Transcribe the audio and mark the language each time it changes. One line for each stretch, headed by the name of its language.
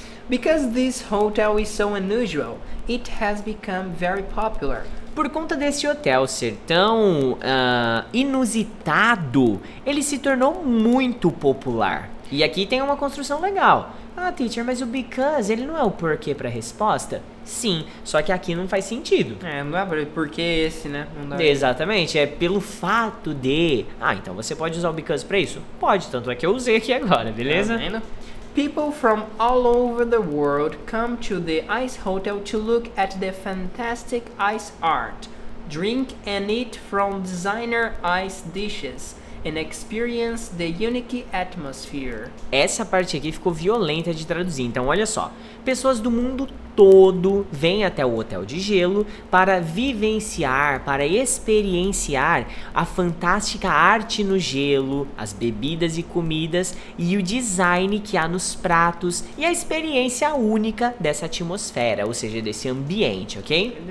English: Because this hotel is so unusual, it has become very popular.
Portuguese: Por conta desse hotel ser tão inusitado, ele se tornou muito popular. E aqui tem uma construção legal. Ah, teacher, mas o because, ele não é o porquê pra resposta? Sim, só que aqui não faz sentido. É, não dá pra porquê esse, né? Não dá. Exatamente, é pelo fato de... Ah, então você pode usar o because pra isso? Pode, tanto é que eu usei aqui agora, beleza? Tá vendo?
English: People from all over the world come to the ice hotel to look at the fantastic ice art, drink and eat from designer ice dishes, and experience the unique atmosphere.
Portuguese: Essa parte aqui ficou violenta de traduzir, então olha só. Pessoas do mundo todo vêm até o hotel de gelo para vivenciar, para experienciar a fantástica arte no gelo, as bebidas e comidas e o design que há nos pratos e a experiência única dessa atmosfera, ou seja, desse ambiente, ok?